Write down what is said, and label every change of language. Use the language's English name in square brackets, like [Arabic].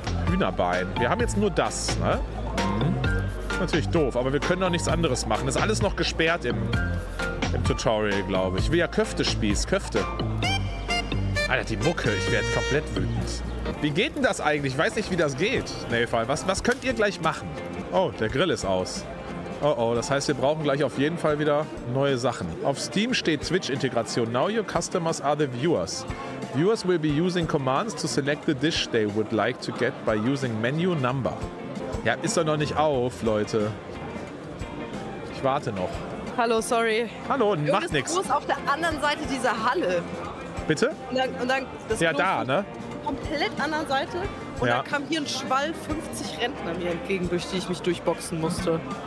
[German] Hühnerbein, wir haben jetzt nur das, ne? Natürlich doof, aber wir können auch nichts anderes machen, das ist alles noch gesperrt im Tutorial, glaube ich. Ich will ja Köfte spießen, Köfte. Alter, die Mucke, ich werde komplett wütend. Wie geht denn das eigentlich? Ich weiß nicht, wie das geht. Nelfall, was könnt ihr gleich machen? Oh, der Grill ist aus. Oh oh, das heißt, wir brauchen gleich auf jeden Fall wieder neue Sachen. Auf Steam steht Twitch-Integration. [English] Now your customers are the viewers. Viewers will be using commands to select the dish they would like to get by using menu number. [German] Ja, ist doch noch nicht auf, Leute. Ich warte noch. Hallo, sorry. Hallo, macht nichts. Du bist auf der anderen Seite dieser Halle. Bitte? Und dann das ja, da, ne? Komplett anderen Seite. Und ja. Dann kam hier ein Schwall 50 Rentner mir entgegen, durch die ich mich durchboxen musste.